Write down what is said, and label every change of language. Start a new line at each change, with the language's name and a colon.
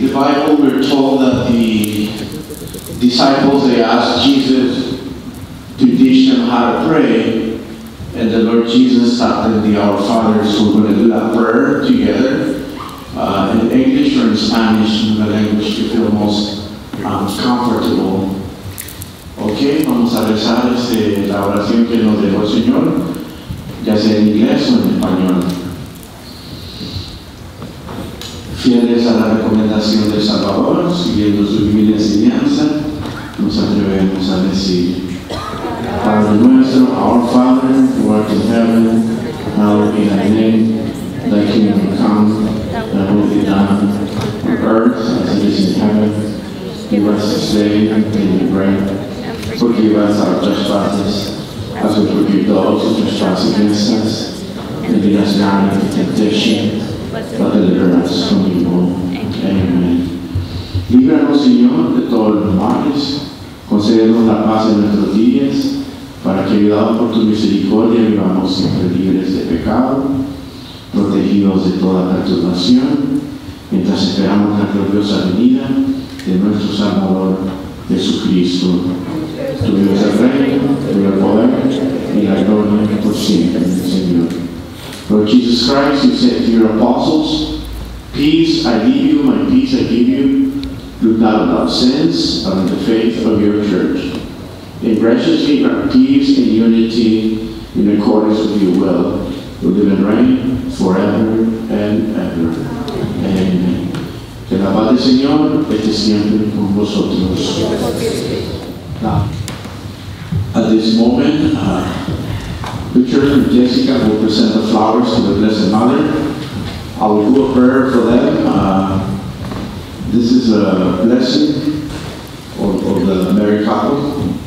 English: The Bible, we're told that the disciples, they asked Jesus to teach them how to pray, And the Lord Jesus taught the Our Father, so we're going to do that prayer together in English or in Spanish, in the language you feel most comfortable.
Spanish: Okay, vamos a rezar la oración que nos dejó el Señor, ya sea en inglés o en español. Fieles a la recomendación del Salvador, siguiendo su divina enseñanza, nos atrevemos a decir: Padre nuestro,
English: Our Father, who art in heaven, hallowed be thy name, thy kingdom come, thy will be done, on earth as it is in heaven. Give us this day our daily bread. Forgive us our trespasses, as we forgive those who trespass against us. And lead us not into temptation, but deliver us from evil.
Spanish: Amen. Líbranos, Señor, de todos los males. Concédenos la paz en nuestros días, para que, ayudados por tu misericordia, vivamos siempre libres de pecado, protegidos de toda perturbación, mientras esperamos la gloriosa venida de nuestro Salvador, Jesucristo. Tu Dios es el reino, el poder y la gloria por siempre, Señor.
English: Lord Jesus Christ, you said to your apostles, Peace I leave you, my peace I give you. Do not love sins, but in the faith of your church. And graciously grant peace and unity in accordance with your will. We live and reign forever and ever. Amen.
Spanish: Que la paz del Señor esté siempre con vosotros.
English: At this moment, Richard and Jessica will present the flowers to the Blessed Mother. I will do a prayer for them. This is a blessing for the married couple.